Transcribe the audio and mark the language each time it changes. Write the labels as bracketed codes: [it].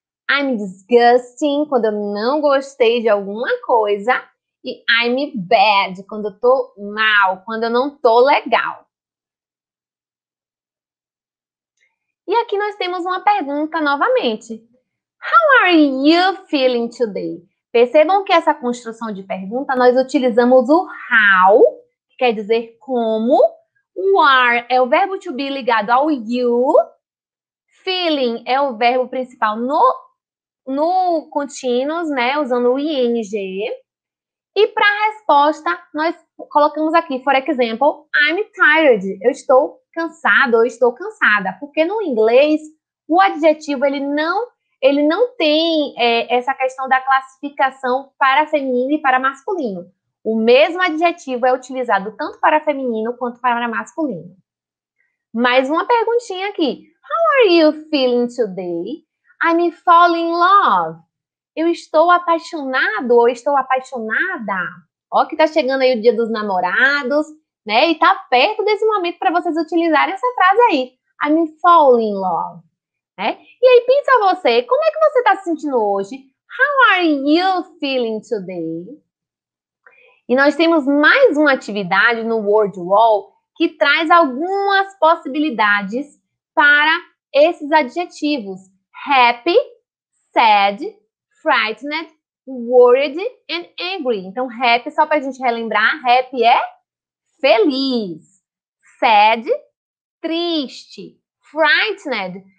[en] I'm disgusting, [pt] quando eu não gostei de alguma coisa. E [en] I'm bad, [pt] quando eu estou mal, quando eu não estou legal. E aqui nós temos uma pergunta novamente. [en] How are you feeling today? [pt] Percebam que essa construção de pergunta, nós utilizamos o how, que quer dizer como. O are é o verbo to be ligado ao you. Feeling é o verbo principal no continuous, né? Usando o ing. E para a resposta, nós colocamos aqui, [en] for example, I'm tired. [pt] Eu estou cansado, eu estou cansada. Porque no inglês, o adjetivo, ele não tem essa questão da classificação para feminino e para masculino. O mesmo adjetivo é utilizado tanto para feminino quanto para masculino. Mais uma perguntinha aqui. [en] How are you feeling today? I'm falling in love. [pt] Eu estou apaixonado ou estou apaixonada? Ó, que tá chegando aí o dia dos namorados, né? E tá perto desse momento para vocês utilizarem essa frase aí. [en] I'm falling in love. [pt] É? E aí, pensa você, como é que você está se sentindo hoje? [en] How are you feeling today? [pt] E nós temos mais uma atividade no Word Wall que traz algumas possibilidades para esses adjetivos: [en] happy, sad, frightened, worried and angry. [pt] Então, happy, só para a gente relembrar, happy é feliz, sad, triste, frightened.